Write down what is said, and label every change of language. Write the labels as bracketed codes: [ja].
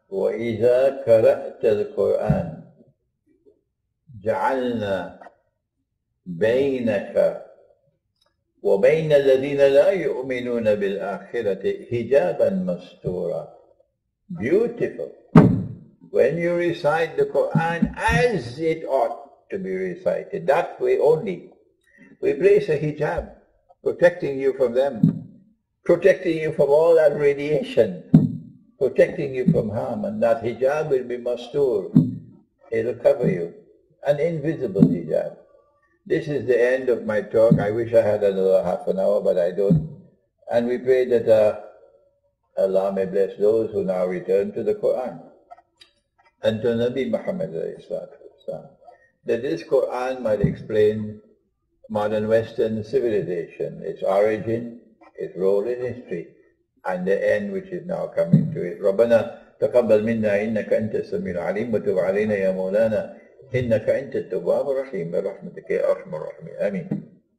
[ar] Wa iza qara'ta al-Quran, ja'alna baynaka وَبَيْنَ الَّذِينَ لَا يُؤْمِنُونَ بِالْآخِرَةِ حِجَابًا مَسْتُورًا. [en] Beautiful. When you recite the Quran as it ought to be recited, that way only, we place a hijab, protecting you from them, protecting you from all that radiation, protecting you from harm, and that hijab will be mastur. It'll cover you. An invisible hijab. This is the end of my talk. I wish I had another half an hour, but I don't. And we pray that Allah may bless those who now return to the Quran and to Nabi Muhammad ﷺ, that this Quran might explain modern Western civilization, its origin, its role in history, and the end which is now coming to it. [ar] رَبَّنَا تَقَبَّلْ مِنَّا إِنَّكَ أَنْتَ السَّمِيعُ الْعَلِيمُ وَتُبْ عَلَيْنَا يَا مَوْلَانَا إنك أنت التواب الرحيم برحمتك يا أرحم الراحمين. آمين.